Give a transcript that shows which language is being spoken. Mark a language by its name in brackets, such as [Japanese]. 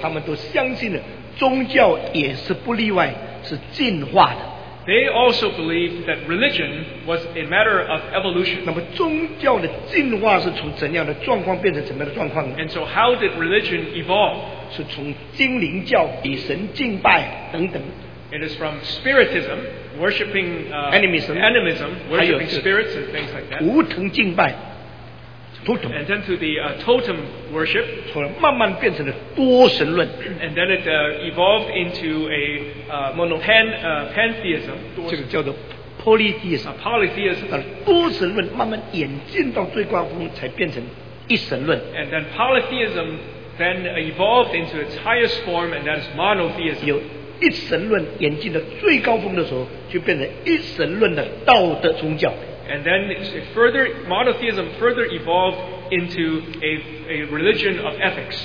[Chinese] 他们都相信了宗教也是不例外，是进化的。 [English] They also believed that religion was a matter of evolution. [Chinese] 那么宗教的进化是从怎样的状况变成怎么样的状况呢? [English] And so how did religion evolve? [Chinese] 是从精灵教与神敬拜等等。 [English] It is from spiritism, worshipping animism, worshipping spirits and things like that. [Chinese] 图腾敬拜, totem. [English] And then to the totem worship. [Chinese] 从慢慢变成了多神论。 [English] And then it evolved into a pantheism. [Chinese] 这个叫做polytheism。 [English] polytheism. [Chinese] 多神论慢慢演进到最高峰才变成一神论。 [English] And then polytheism then evolved into its highest form, and that is monotheism. [Chinese] 有一神论演进到最高峰的时候，就变成一神论的道德宗教。 [English] And then monotheism further evolved into a religion of ethics.